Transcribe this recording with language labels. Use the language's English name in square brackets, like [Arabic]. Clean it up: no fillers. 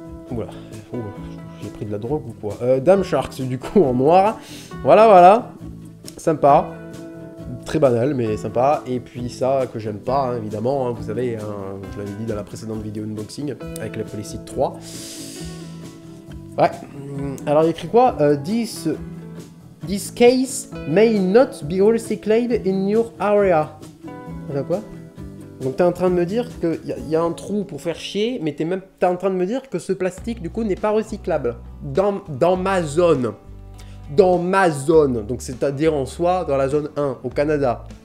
[French] Oula, j'ai pris de la drogue ou quoi. Dame Sharks, du coup, en noir. Voilà, voilà. Sympa. Très banal, mais sympa. Et puis ça, que j'aime pas, hein, évidemment. Hein, vous savez, hein, je l'avais dit dans la précédente vidéo unboxing, avec la Playseat 3. Ouais. Alors, il écrit quoi? [English] This case may not be recycled in your area. [French] Attends, quoi? Donc t'es en train de me dire qu'il y a un trou pour faire chier, mais t'es en train de me dire que ce plastique, du coup, n'est pas recyclable. Dans ma zone. Dans ma zone. Donc c'est-à-dire en soi, dans la zone 1, au Canada.